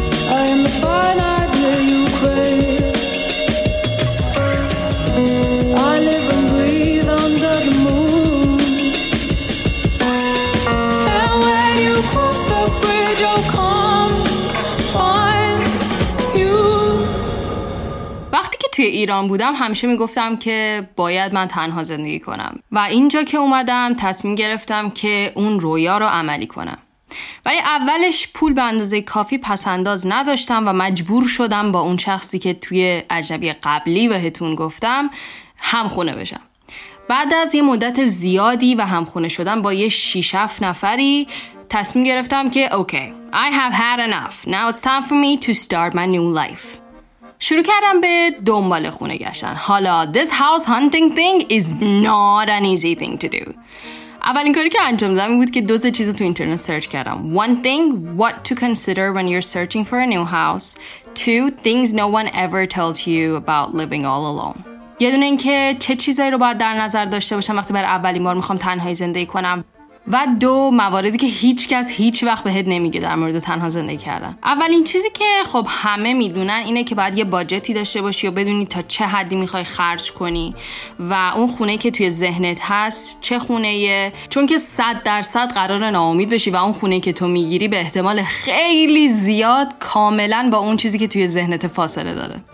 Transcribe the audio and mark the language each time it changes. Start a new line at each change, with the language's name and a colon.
English: I am a fine idea you crave. I live and breathe under the moon. And when you cross the bridge, I'll come find you.
Persian: وقتی که توی ایران بودم همیشه میگفتم که باید من تنها زندگی کنم و اینجا که اومدم تصمیم گرفتم که اون رویا رو عملی کنم. ولی اولش پول به اندازه کافی پسنداز نداشتم و مجبور شدم با اون شخصی که توی عجبی قبلی بهتون گفتم همخونه بشم. بعد از یه مدت زیادی و همخونه شدم با یه 6-7 نفری تصمیم گرفتم که
English: Okay, I have had enough. Now it's time for me to start my new life.
Persian: شروع کردم به دنبال خونه گشتن. حالا
English: this house hunting thing is not an easy thing to do.
Persian: اولین کاری که انجام دادم این بود که دو تا چیز رو تو اینترنت سرچ کردم.
English: One thing, what to consider when you're searching for a new house. Two, things no one ever tells you about living all alone.
Persian: یه دونه این که چه چیزایی رو باید در نظر داشته باشم وقتی برای اولین بار میخوام تنهایی زندگی کنم. و دو، مواردی که هیچ کس هیچ وقت بهت نمیگه در مورد تنها زندگی کردن. اولین چیزی که خب همه میدونن اینه که باید یه باجتی داشته باشی و بدونی تا چه حدی میخوای خرج کنی و اون خونه که توی ذهنت هست چه خونه‌ایه، چون که 100% قراره ناامید بشی و اون خونه که تو میگیری به احتمال خیلی زیاد کاملا با اون چیزی که توی ذهنت فاصله داره.